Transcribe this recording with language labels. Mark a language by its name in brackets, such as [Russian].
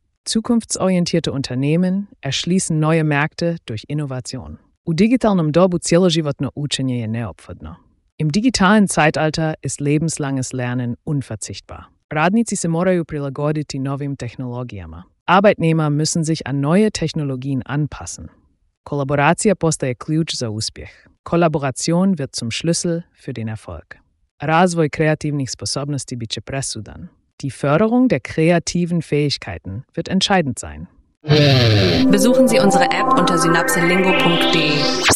[German] Zukunftsorientierte Unternehmen erschließen neue Märkte durch Innovation. [Croatian] U digitalnom dobu cjeloživotno učenje je neophodno. [German] Im digitalen Zeitalter ist lebenslanges Lernen unverzichtbar. [Croatian] Radnici se moraju prilagoditi novim tehnologijama. [German] Arbeitnehmer müssen sich an neue Technologien anpassen. [Croatian] Kolaboracija postaje ključ za uspjeh. [German] Kolaboration wird zum Schlüssel für den Erfolg. [Croatian] Razvoj kreativnih sposobnosti biće presudan. [German] Die Förderung der kreativen Fähigkeiten wird entscheidend sein. Besuchen Sie unsere App unter synapselingo.de.